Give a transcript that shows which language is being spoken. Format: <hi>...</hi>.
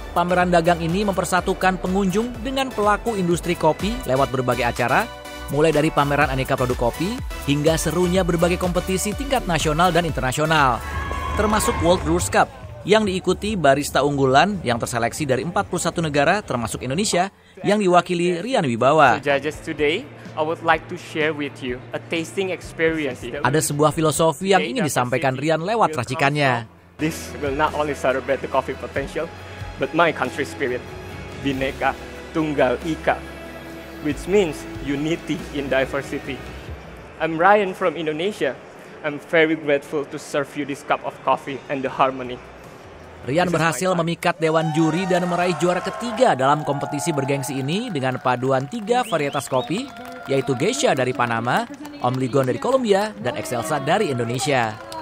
<id>Pameran dagang ini mempersatukan pengunjung dengan pelaku industri kopi lewat berbagai acara, mulai dari pameran aneka produk kopi hingga serunya berbagai kompetisi tingkat nasional dan internasional, termasuk World Brewers Cup yang diikuti barista unggulan yang terseleksi dari 41 negara termasuk Indonesia yang diwakili Rian Wibawa.</id> <en>I would like to share with you a tasting experience.</en> <id>Ada sebuah filosofi yang ingin disampaikan Rian lewat racikannya.</id> <en>This will not only celebrate the coffee potential, but my country spirit, Bhinneka Tunggal Ika, which means unity in diversity. I'm Ryan from Indonesia. I'm very grateful to serve you this cup of coffee and the harmony.</en> <id>Rian berhasil memikat dewan juri dan meraih juara ketiga dalam kompetisi bergengsi ini dengan paduan tiga varietas kopi, yaitu Geisha dari Panama, Omligon dari Kolombia, dan Excelsa dari Indonesia.</id>